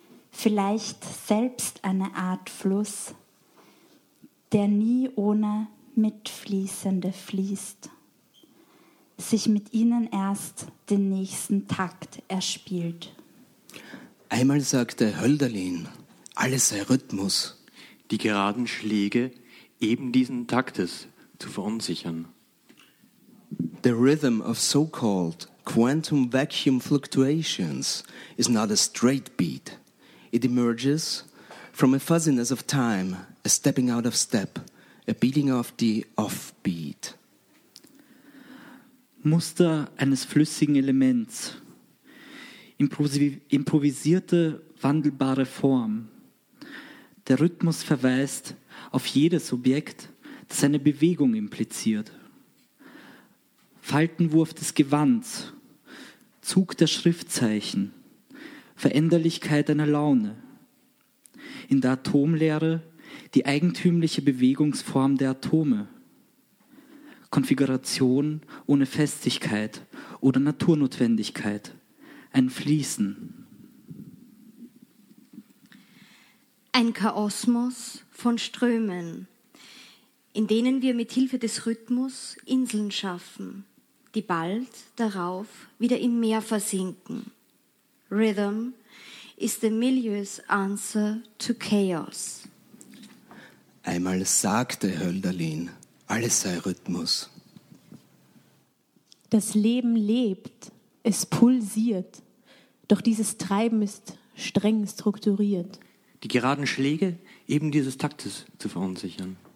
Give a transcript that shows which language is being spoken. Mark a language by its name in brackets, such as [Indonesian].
[German] Vielleicht selbst eine Art Fluss, der nie ohne Mitfließende fließt, sich mit ihnen erst den nächsten Takt erspielt. Einmal sagte Hölderlin, alles sei Rhythmus. Die geraden Schläge eben diesen Taktes zu verunsichern. [English] The rhythm of so-called quantum vacuum fluctuations is not a straight beat. It emerges from a fuzziness of time, a stepping out of step, a beating of the offbeat. [German] Muster eines flüssigen Elements, improvisierte, wandelbare Form. Der Rhythmus verweist auf jedes Objekt, das eine Bewegung impliziert. Faltenwurf des Gewands, Zug der Schriftzeichen, Veränderlichkeit einer Laune. In der Atomlehre die eigentümliche Bewegungsform der Atome. Konfiguration ohne Festigkeit oder Naturnotwendigkeit, ein Fließen. Ein Chaosmos von Strömen, in denen wir mit Hilfe des Rhythmus Inseln schaffen, die bald darauf wieder im Meer versinken. [English] Rhythm is the milieu's answer to chaos. [German] Einmal sagte Hölderlin, alles sei Rhythmus. Das Leben lebt, es pulsiert, doch dieses Treiben ist streng strukturiert. Die geraden Schläge eben dieses Taktes zu verunsichern.